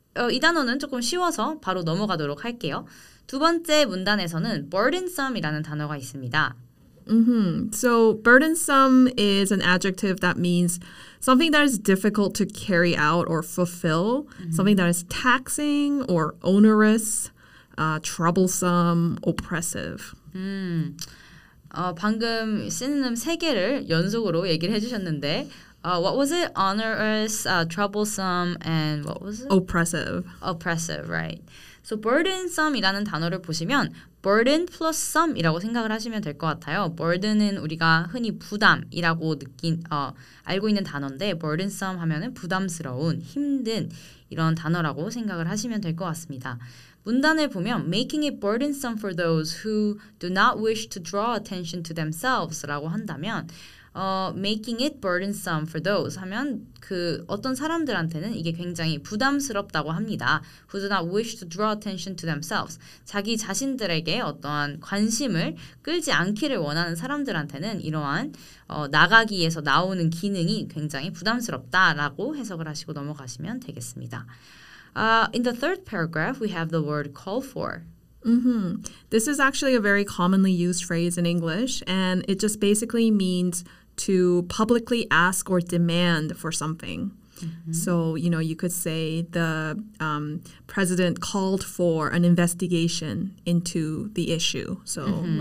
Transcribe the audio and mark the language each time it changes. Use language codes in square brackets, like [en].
[ko] 이 단어는 조금 쉬워서 바로 넘어가도록 할게요. 두 번째 문단에서는 burdensome이라는 단어가 있습니다. Mm-hmm. [en] So burdensome is an adjective that means something that is difficult to carry out or fulfill, mm-hmm. something that is taxing or onerous, troublesome, oppressive. [ko] 방금 synonym 세 개를 연속으로 얘기를 해주셨는데 [en] what was it? Onerous, troublesome, and what was it? Oppressive. Oppressive, right. [ko] So burdensome이라는 단어를 보시면 burden plus some이라고 생각을 하시면 될 것 같아요. Burden은 우리가 흔히 부담이라고 알고 있는 단어인데 burdensome 하면은 부담스러운, 힘든 이런 단어라고 생각을 하시면 될 것 같습니다. 문단을 보면 [en] making it burdensome for those who do not wish to draw attention to themselves [ko] 라고 한다면 [en] making it burdensome for those [ko] 하면 그 어떤 사람들한테는 이게 굉장히 부담스럽다고 합니다. [en] Who do not wish to draw attention to themselves. [ko] 자기 자신들에게 어떠한 관심을 끌지 않기를 원하는 사람들한테는 이러한 나가기에서 나오는 기능이 굉장히 부담스럽다라고 해석을 하시고 넘어가시면 되겠습니다. [en] In the third paragraph, we have the word call for. Mm-hmm. This is actually a very commonly used phrase in English, and it just basically means to publicly ask or demand for something. Mm-hmm. So, you know, you could say the president called for an investigation into the issue. So, mm-hmm.